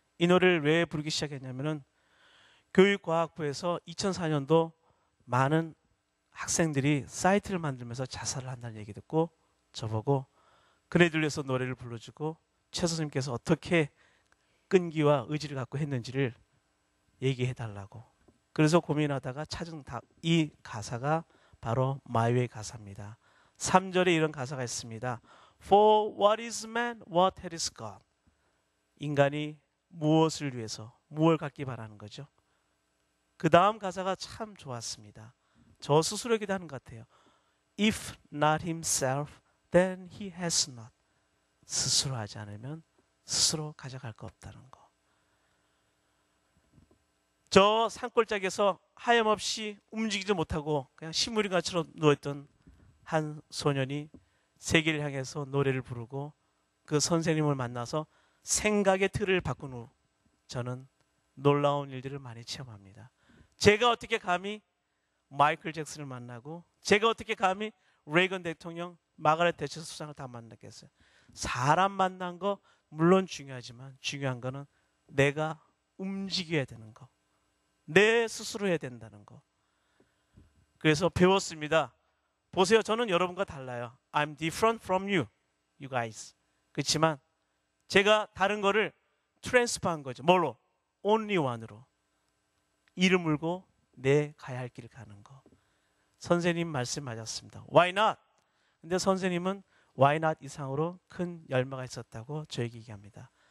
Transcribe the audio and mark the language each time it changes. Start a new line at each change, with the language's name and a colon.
Korean: 이 노래를 왜 부르기 시작했냐면은 교육과학부에서 2004년도 많은 학생들이 사이트를 만들면서 자살을 한다는 얘기 듣고 저보고 그네들 위해서 노래를 불러주고 최 선생님께서 어떻게 끈기와 의지를 갖고 했는지를 얘기해달라고. 그래서 고민하다가 찾은 이 가사가 바로 My Way 가사입니다. 3절에 이런 가사가 있습니다.
English: For what is man, what has God?
Korean: 인간이 무엇을 위해서, 무엇을 갖기 바라는 거죠. 그 다음 가사가 참 좋았습니다. 저 스스로에게도 하는 것 같아요.
English: If not himself, then he has not.
Korean: 스스로 하지 않으면 스스로 가져갈 거 없다는 거. 저 산골짜기에서 하염없이 움직이지 못하고 그냥 식물인 것처럼 누웠던 한 소년이 세계를 향해서 노래를 부르고 그 선생님을 만나서 생각의 틀을 바꾼 후 저는 놀라운 일들을 많이 체험합니다. 제가 어떻게 감히 마이클 잭슨을 만나고 제가 어떻게 감히 레이건 대통령, 마가렛 대처 수상을 다 만나겠어요. 사람 만난 거 물론 중요하지만 중요한 거는 내가 움직여야 되는 거. 내 스스로 해야 된다는 거. 그래서 배웠습니다. 보세요. 저는 여러분과 달라요.
English: I'm different from you, you guys.
Korean: 그렇지만 제가 다른 거를 트랜스퍼한 거죠. 뭘로? Only one 으로. 이를 물고 내 가야 할 길을 가는 거. 선생님 말씀하셨습니다.
English: Why not?
Korean: 근데 선생님은 Why not 이상으로 큰 열매가 있었다고 저에게 얘기합니다.